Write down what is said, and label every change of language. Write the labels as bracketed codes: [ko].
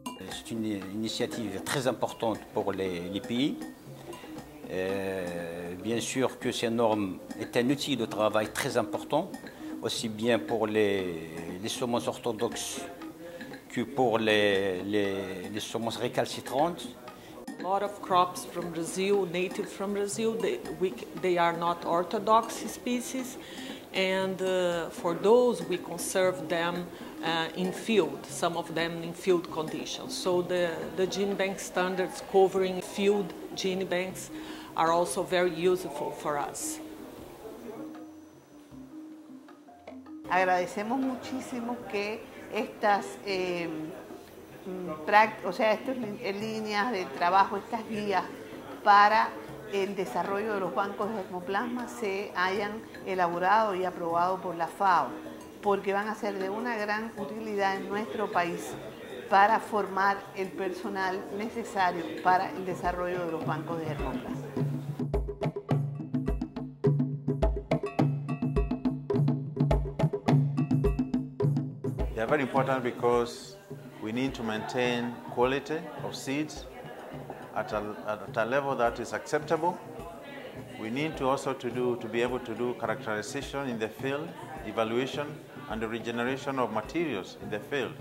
[fr] C'est une initiative très importante pour les pays. Bien sûr que ces normes est un outil de travail très important, aussi bien pour les semences orthodoxes que pour les semences récalcitrantes. [en] A lot of crops from Brazil, native from Brazil, they are not orthodox species, and for those we conserve them in field, some of them in field conditions. So the genebank standards covering field genebanks are also very useful for us. [es] Agradecemos muchísimo que estas estas líneas de trabajo, estas guías para el desarrollo de los bancos de germoplasma se hayan elaborado y aprobado por la FAO, porque van a ser de una gran utilidad en nuestro país para formar el personal necesario para el desarrollo de los bancos de germoplasma. [en] They are very important because we need to maintain quality of seeds at a level that is acceptable. We need to also be able to do characterization in the field, evaluation and the regeneration of materials in the field.